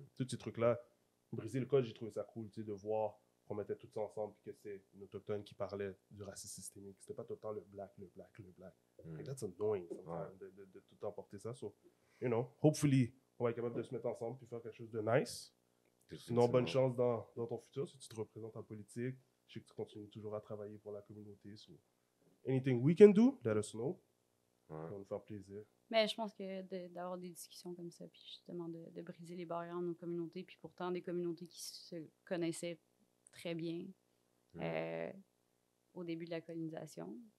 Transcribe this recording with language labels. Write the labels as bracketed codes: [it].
[fr] Tous ces trucs-là, briser le code, j'ai trouvé ça cool, tu sais, de voir qu'on mettait tout ça ensemble et que c'est une autochtone qui parlait du racisme systémique. C'était pas tout le temps le black. [en] Like, that's annoying, [fr] de tout le temps porter ça. [en] So, you know, [fr] hopefully, on va être capable de se mettre ensemble et faire quelque chose de nice. Sinon, bonne chance dans ton futur, si tu te représentes en politique. Je sais que tu continues toujours à travailler pour la communauté. [en] So, anything we can do, let us know. [fr] Ça va nous faire plaisir. Mais je pense que d'avoir des discussions comme ça, puis justement de briser les barrières de nos communautés, puis pourtant des communautés qui se connaissaient très bien au début de la colonisation.